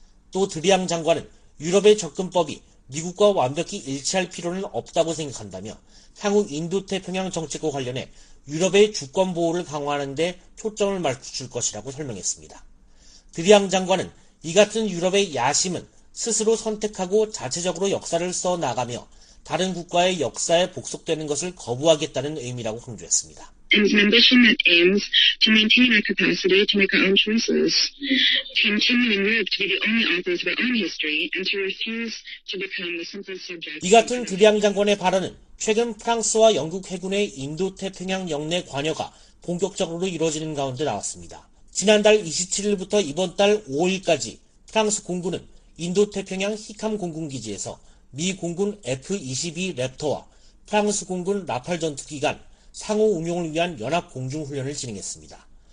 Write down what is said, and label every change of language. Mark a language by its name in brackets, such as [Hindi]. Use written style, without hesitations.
[Korean] 또 드리앙 장관은 유럽의 접근법이 미국과 완벽히 일치할 필요는 없다고 생각한다며 향후 인도태평양 정책과 관련해 유럽의 주권 보호를 강화하는 데 초점을 맞출 것이라고 설명했습니다. 드리앙 장관은 이 같은 유럽의 야심은 스스로 선택하고 자체적으로 역사를 써 나가며 다른 국가의 역사에 복속되는 것을 거부하겠다는 의미라고 강조했습니다. [English] And membership that aims to maintain our capacity to make our own choices, to continue in Europe to be the only authors of our own history and to refuse to become the simple subject. [Korean] 이 같은 드리앙 장관의 발언은 최근 프랑스와 영국 해군의 인도태평양 영내 관여가 본격적으로 이루어지는 가운데 나왔습니다. 지난달 27일부터 이번 달 5일까지 프랑스 공군은 인도태평양 히캄 공군기지에서 미 공군 F-22 랩터와 프랑스 공군 라팔 전투기간 상호 운용을 위한 연합 공중훈련을 진행했습니다.